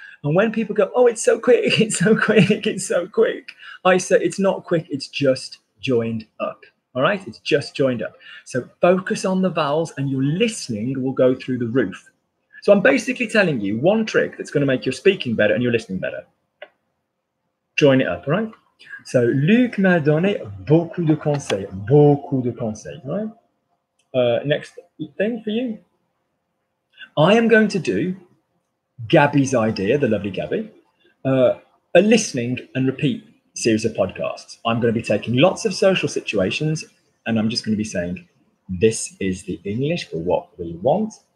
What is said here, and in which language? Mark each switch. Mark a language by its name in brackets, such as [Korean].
[English] And when people go, oh, it's so quick, it's so quick, it's so quick, I say, it's not quick, it's just joined up. All right, it's just joined up. So focus on the vowels and your listening will go through the roof. So I'm basically telling you one trick that's going to make your speaking better and your listening better. Join it up, right? [French] So Luc m'a donné beaucoup de conseils, right? [English] Next thing for you. I am going to do Gabby's idea, the lovely Gabby, a listening and repeat series of podcasts. I'm going to be taking lots of social situations and I'm just going to be saying, this is the English for what we want.